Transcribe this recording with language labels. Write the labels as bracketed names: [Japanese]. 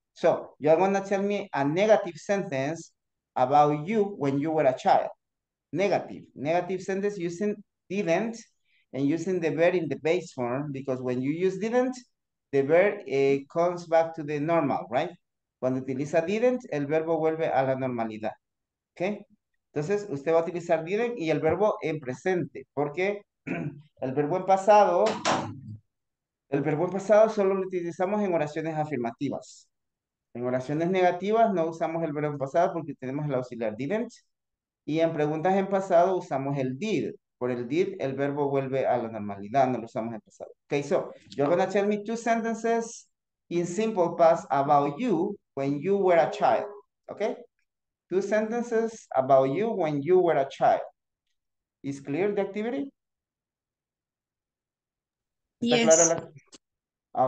[English] So you're going to tell me a negative sentence about you when you were a child. Negative. Negative sentence using didn't and using the verb in the base form, because when you use didn't, the verb comes back to the normal, right? [Spanish] Cuando utiliza didn't, el verbo vuelve a la normalidad. Okay? Entonces, usted va a utilizar didn't y el verbo en presente, porque el verbo en pasado solo lo utilizamos en oraciones afirmativas. En oraciones negativas no usamos el verbo en pasado porque tenemos el auxiliar didn't. Y en preguntas en pasado usamos el did. Por el did, el verbo vuelve a la normalidad, no lo usamos en pasado. [English] Okay, so, you're gonna tell me two sentences in simple past about you when you were a child, okay? Two sentences about you when you were a child. Is clear the activity? [Spanish] ¿Está yes. Clara la...